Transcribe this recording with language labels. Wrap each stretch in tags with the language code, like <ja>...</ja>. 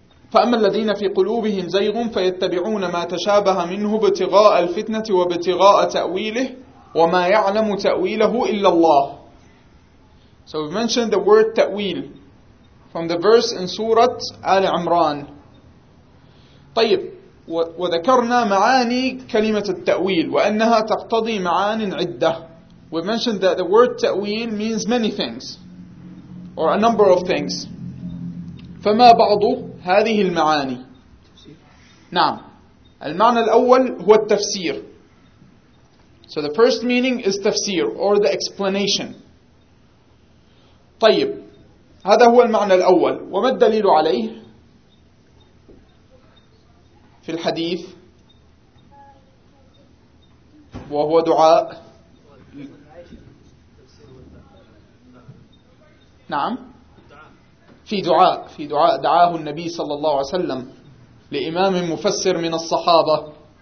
<ar>فأما الذين في قلوبهم زيغ فيتبعون ما تشابه منه ابتغاء الفتنة وابتغاء تأويله وما يعلم تأويله إلا الله.</ar> <en>So we mentioned the word تأويل from the verse in Surah آل عمران.</en> <ar>طيب وذكرنا معاني كلمة التأويل وأنها تقتضي معان عدة.</ar> <en>We mentioned that the word تأويل means many things or a number of things.</en> <ar>فما بعض هذه المعاني؟ نعم. المعنى الأول هو التفسير.</ar> <en>So the first meaning is تفسير or the explanation.</en> <ar>طيب هذا هو المعنى الأول. وما الدليل عليه في الحديث؟ وهو دعاء. نعم. في دعاء دعاه النبي صلى الله عليه وسلم لإمام مفسر من الصحابة.</ar>